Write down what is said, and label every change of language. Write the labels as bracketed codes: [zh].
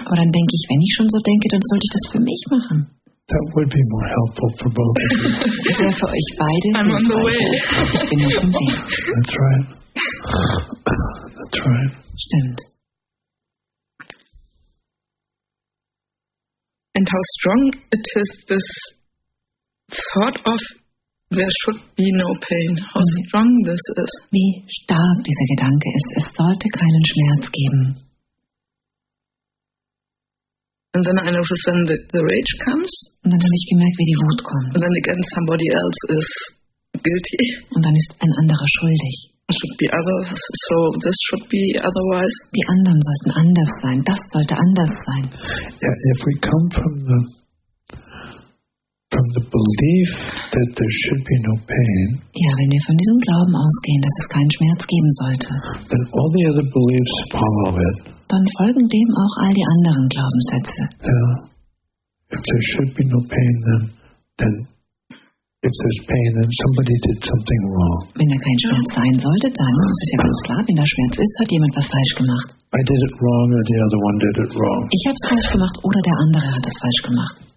[de] Aber dann denke ich, wenn ich schon so denke, dann sollte ich das für mich machen. [en] That would be more helpful for both of you. [de] Das wäre für euch beide. [en] I'm on the way. [de] Ich bin auf dem Weg. [en] That's right. That's right. [de] Stimmt. [en] And how strong it is, this thought of there should be no pain. How strong this is. [de] Wie stark dieser Gedanke ist, es sollte keinen Schmerz geben. [en] And then I noticed that the rage comes. [de] Und dann habe ich gemerkt, wie die Wut kommt. [en] And then again somebody else is guilty. [de] Und dann ist ein anderer schuldig. [en] It should be others, so this should be otherwise. [de] Die anderen sollten anders sein. Das sollte anders sein. [en] Yeah, if we come from the belief that there should be no pain. [de] Ja, wenn wir von diesem Glauben ausgehen, dass es keinen Schmerz geben sollte. [en] Then all the other beliefs follow it. [de] Dann folgen dem auch all die anderen Glaubenssätze. [en] Yeah. If there should be no pain, then if there's pain, then somebody did something wrong. [de] Wenn da kein Schmerz sein sollte, dann ist es ja ganz klar, wenn da Schmerz ist, hat jemand was falsch gemacht. [en] I did it wrong or the other one did it wrong. [de] Ich habe es falsch gemacht oder der andere hat es falsch gemacht.